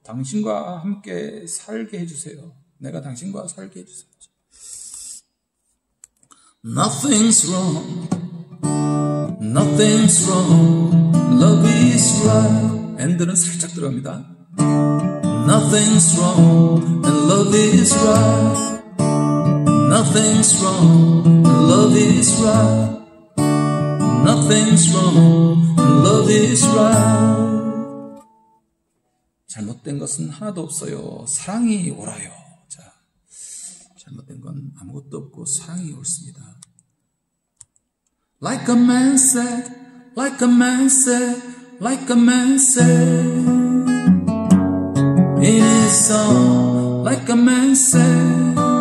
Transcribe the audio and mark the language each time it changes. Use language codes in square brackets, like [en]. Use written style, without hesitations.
[ko] 당신과 함께 살게 해주세요. 내가 당신과 살게 해주세요. [en] Nothing's wrong. Nothing's wrong, love is right. [ko] End는 살짝 들어갑니다. [en] Nothing's wrong, and love is right. Nothing's wrong, and love is right. Nothing's wrong, and love is right. [ko] 잘못된 것은 하나도 없어요. 사랑이 오라요. 자, 잘못된 건 아무것도 없고 사랑이 옳습니다. [en] Like a man said, like a man said, like a man said in his song. Like a man said